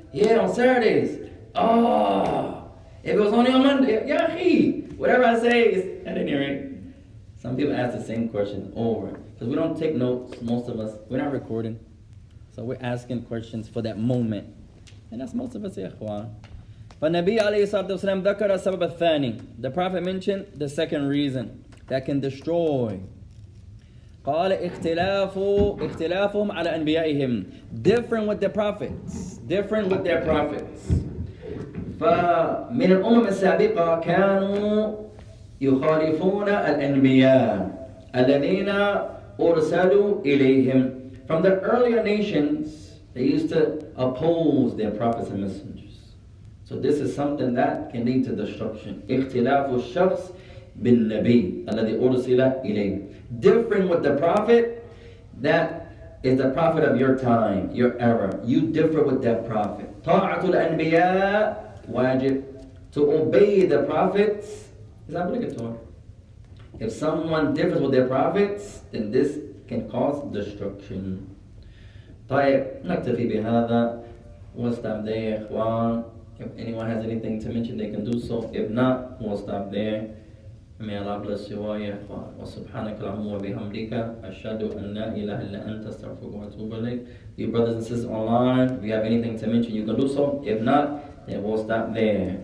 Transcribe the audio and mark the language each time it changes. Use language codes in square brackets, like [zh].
[en] Yeah, on Saturdays. Oh, if it was only on Monday, yahi. Whatever I say is at any rate. Some people ask the same question over. Because we don't take notes, most of us. We're not recording. So we're asking questions for that moment. And that's most of us, ikhwan. [ar] فالنبي عليه الصلاة والسلام ذكر السبب الثاني. [en] The Prophet mentioned the second reason that can destroy. [ar] قال اختلافهم على أنبيائهم. [en] Different with the prophets. Different with their prophets. [ar] فمن الأمم السابقة كانوا يخالفون الأنبياء الذين أرسلوا إليهم. [en] From the earlier nations, they used to oppose their prophets and messengers. So this is something that can lead to destruction. [ar] اختلاف الشخص بالنبي الذي أرسل إليه. [en] Different with the prophet, that is the prophet of your time, your era. You differ with that prophet. [ar] طاعة الأنبياء واجب. [en] To obey the prophets is obligatory. If someone differs with their prophets, then this can cause destruction. [ar] طيب نكتفي بهذا [en] we'll stop there [ar] إخوان. [en] If anyone has anything to mention they can do so. If not we'll stop there. May Allah bless you all [ar] يا إخوان. وسبحانك اللهم وبحمدك أشهد أن لا إله إلا أنت أستغفرك وأتوب إليك. [en] You brothers and sisters online, if you have anything to mention you can do so. If not then we'll stop there.